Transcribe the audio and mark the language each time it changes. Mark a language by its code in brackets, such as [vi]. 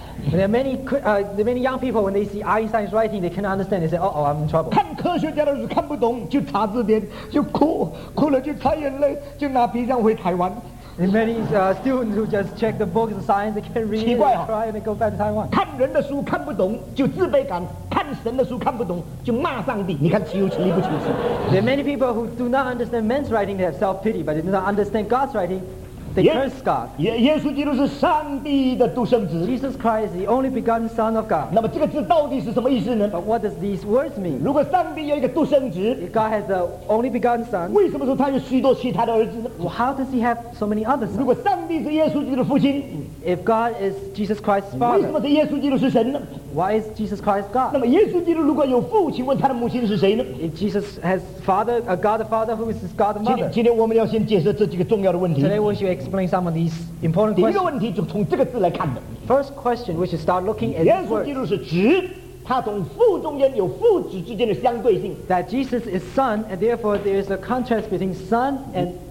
[en] There are many young people when they see Einstein's writing, they cannot understand. They say, "Oh, I'm in trouble." [zh] 看科学家的书看不懂，就查字典，就哭，哭了就擦眼泪，就拿皮箱回台湾。 [en] And many students who just check the books of science, they can't read it, they cry and they go back to Taiwan. [zh] 看人的书看不懂就自卑感, 看神的书看不懂就骂上帝, 你看其有其力不其无。 [en] There are many people who do not understand men's writing, they have self-pity, but they do not understand God's writing. They curse God. [zh] 耶稣基督是上帝的独生子。 [en] Jesus Christ, the only begotten Son of God. [zh] 那么这个字到底是什么意思呢? [en] But what does these words mean? [zh] 如果上帝有一个独生子, [en] if God has the only begotten Son, [zh] 为什么说他有许多其他的儿子呢? [en] Well, how does he have so many other sons? [zh] 如果上帝是耶稣基督的父亲, [en] if God is Jesus Christ's Father, [zh] 为什么是耶稣基督是神呢? [en] Why is Jesus Christ God? [zh] 那么耶稣基督如果有父, 请问他的母亲是谁呢? [en] If Jesus has father, a God the Father, who is his God the Mother? [zh] 今天我们要先解释这几个重要的问题。 [en] Today we should explain some of these important questions. [zh] 第一个问题就从这个字来看的。 [en] First question, we should start looking at these words. [zh] 耶稣基督是子, 他从父中间有父子之间的相对性。 [en] That Jesus is Son, and therefore there is a contrast between Son and...